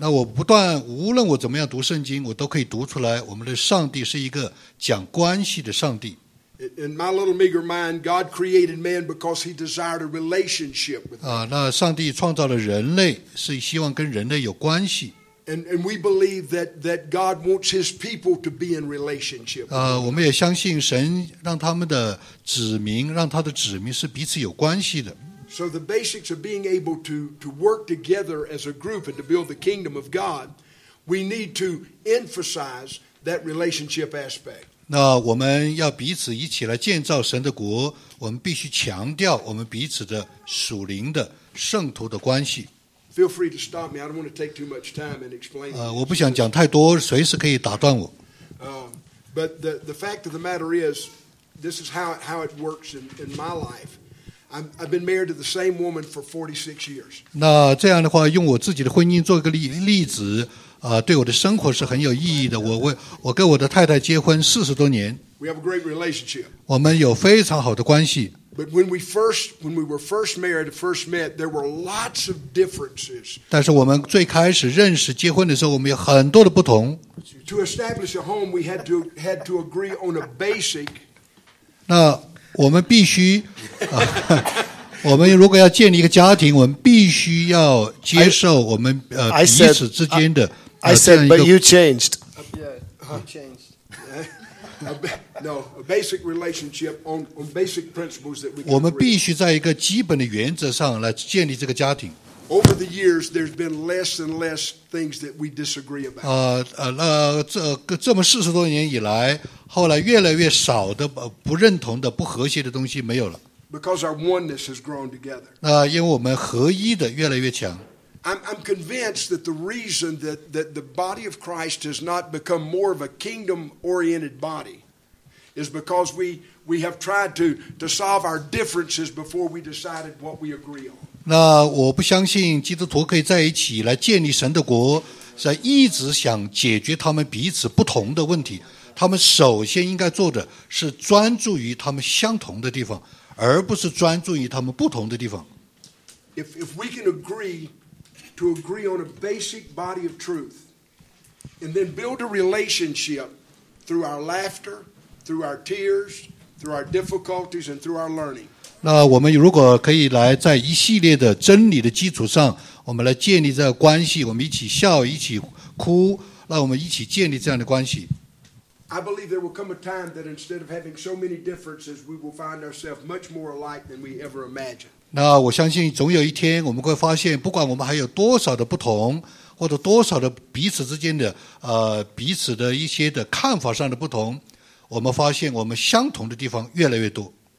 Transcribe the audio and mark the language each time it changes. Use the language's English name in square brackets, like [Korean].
[Chinese] 那我不断无论我怎么样读圣经，我都可以读出来，我们的上帝是一个讲关系的上帝。 [English] In my little meager mind, God created man because He desired a relationship with. [Chinese] 那上帝创造了人类，是希望跟人类有关系。 [English] And we believe that God wants his people to be in relationship. [Chinese] 我们也相信神让他们的子民，让他的子民是彼此有关系的。 [English] So the basics of being able to work together as a group and to build the kingdom of God, we need to emphasize that relationship aspect. [Chinese] 那我们要彼此一起来建造神的国，我们必须强调我们彼此的属灵的圣徒的关系。 [English] Feel free to stop me. I don't want to take too much time and explain. [Chinese] 我不想讲太多，随时可以打断我。 [English] But the fact of the matter is, this is how it works in my life. I've been married to the same woman for 46 years. [Chinese] 那这样的话，用我自己的婚姻做一个例子，对我的生活是很有意义的。我跟我的太太结婚40多年。 [English] We have a great relationship. [Chinese] 我们有非常好的关系。 [English] But when we were first met, there were lots of differences. [Chinese] 但是我们最开始认识结婚的时候，我们有很多的不同。 [English] To establish a home, we had to agree on a basic. [Chinese] 那我们必须，我们如果要建立一个家庭，我们必须要接受我们彼此之间的。 [English] I said, but you changed. Yeah, you changed. No, a basic relationship on basic principles that we. [Chinese] 我们必须在一个基本的原则上来建立这个家庭。 [English] Over the years, there's been less and less things that we disagree about. [Chinese] 这么40多年以来，后来越来越少的不认同的不和谐的东西没有了。 [English] Because our oneness has grown together. [Chinese] 因为我们合一的越来越强。 [English] I'm convinced that the reason that the body of Christ has not become more of a kingdom-oriented body is because we have tried to solve our differences before we decided what we agree on. [Chinese] 那我不相信基督徒可以在一起来建立神的国，在一直想解决他们彼此不同的问题。他们首先应该做的是专注于他们相同的地方，而不是专注于他们不同的地方。 [English] If we can agree on a basic body of truth, and then build a relationship through our laughter, through our tears, through our difficulties, and through our learning. [Chinese] 那我们如果可以来在一系列的真理的基础上，我们来建立这个关系，我们一起笑，一起哭，那我们一起建立这样的关系。 [English] I believe there will come a time that instead of having so many differences, we will find ourselves much more alike than we ever imagined. [Chinese] 那我相信总有一天我们会发现，不管我们还有多少的不同，或者多少的彼此之间的彼此的一些的看法上的不同，我们发现我们相同的地方越来越多。